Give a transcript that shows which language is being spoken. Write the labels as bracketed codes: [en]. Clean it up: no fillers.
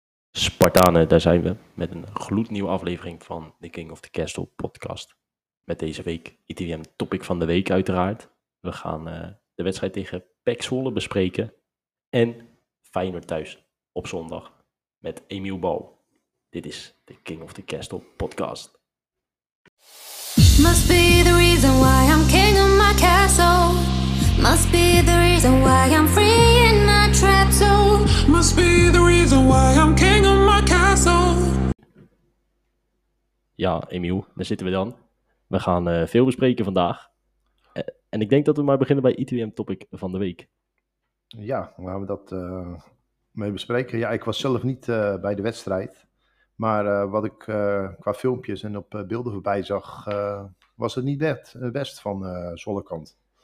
[nl] Spartanen, daar zijn we met een gloednieuwe aflevering van de King of the Castle podcast. Met deze week ITWM topic van de week uiteraard. We gaan de wedstrijd tegen PEC Zwolle bespreken. En Feyenoord thuis op zondag met Emiel Bal. Dit is de King of the Castle podcast. [en] Must be the reason why I'm king of my castle. Must be the reason why I'm free in my trap zone. Must be the reason why I'm king of my castle. [nl] Ja, Emiel, daar zitten we dan. We gaan veel bespreken vandaag. En ik denk dat we maar beginnen bij ITWM topic van de week. Ja, waar we dat mee bespreken. Ja, ik was zelf niet bij de wedstrijd. Maar wat ik qua filmpjes en op beelden voorbij zag, was het niet best van Zwolle kant.